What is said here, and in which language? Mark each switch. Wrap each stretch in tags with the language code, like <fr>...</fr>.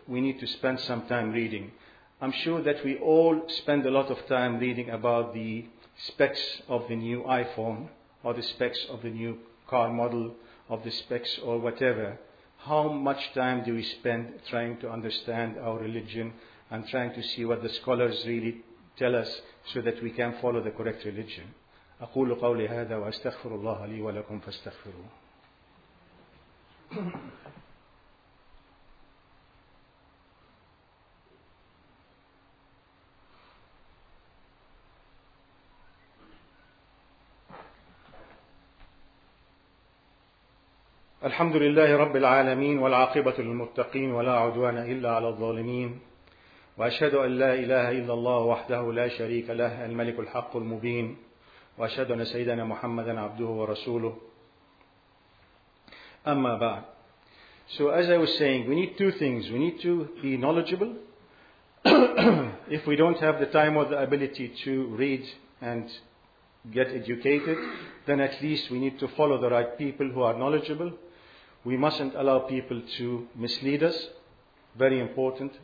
<en>We need to spend some time reading. I'm sure that we all spend a lot of time reading about the specs of the new iPhone, or the specs of the new car model, of the specs or whatever. How much time do we spend trying to understand our religion and trying to see what the scholars really tell us so that we can follow the correct religion?</en> <ar>أقول قولي هذا وأستغفر الله لي ولكم فاستغفروا. الحمد لله رب العالمين والعاقبة للمتقين ولا عدوان إلا على الظالمين وأشهد أن لا إله إلا الله وحده لا شريك له الملك الحق المبين وأشهد أن سيدنا محمدا عبده ورسوله أما بعد.</ar> <en>So as I was saying, we need two things. We need to be knowledgeable. If we don't have the time or the ability to read and get educated, then at least we need to follow the right people who are knowledgeable. We mustn't allow people to mislead us. Very important.</en>